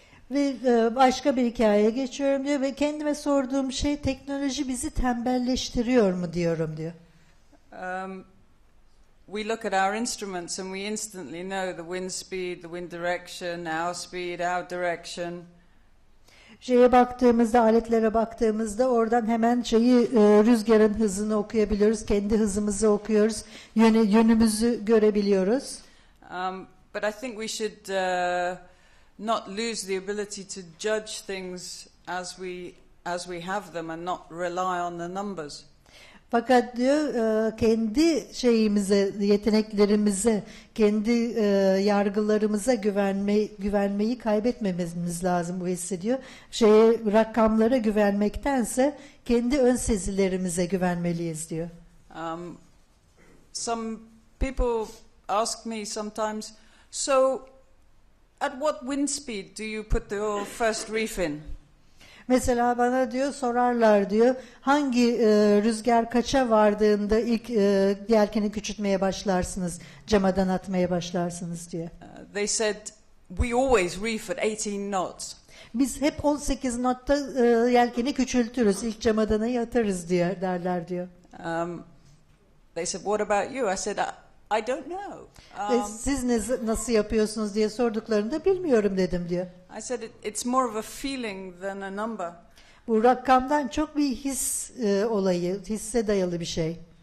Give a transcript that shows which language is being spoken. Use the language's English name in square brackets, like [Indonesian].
[Turkish] Ve başka bir hikayeye geçiyorum diyor ve kendime sorduğum şey, teknoloji bizi tembelleştiriyor mu diyorum diyor. [English] We look at our instruments and we instantly know the wind speed, the wind direction, our speed, our direction. [Turkish] Şeye baktığımızda, aletlere baktığımızda oradan hemen şeyi, rüzgarın hızını okuyabiliyoruz, kendi hızımızı okuyoruz, yönümüzü görebiliyoruz. [English] But I think we should not lose the ability to judge things as we have them and not rely on the numbers. [Turkish] Fakat diyor kendi şeyimize, yeteneklerimize, kendi yargılarımıza güvenmeyi kaybetmememiz lazım, bu hissediyor. Şeye, rakamlara güvenmektense kendi ön sezilerimize güvenmeliyiz diyor. [English] Some people ask me sometimes, so at what wind speed do you put the first reef in? [Turkish] Mesela bana diyor, sorarlar diyor, hangi rüzgar kaça vardığında ilk yelkeni küçültmeye başlarsınız, camadan atmaya başlarsınız diyor. [English] They said, we always reef at 18 knots. [Turkish] Biz hep 18 knotta yelkeni küçültürüz, ilk camadana yatarız diye derler diyor. [English] They said, what about you? I said, I don't know. [Turkish] Siz nasıl yapıyorsunuz diye sorduklarında bilmiyorum dedim diyor. [English] I said it's more of a feeling than a number. [Turkish] Bu rakamdan çok bir his olayı, hisse dayalı bir şey.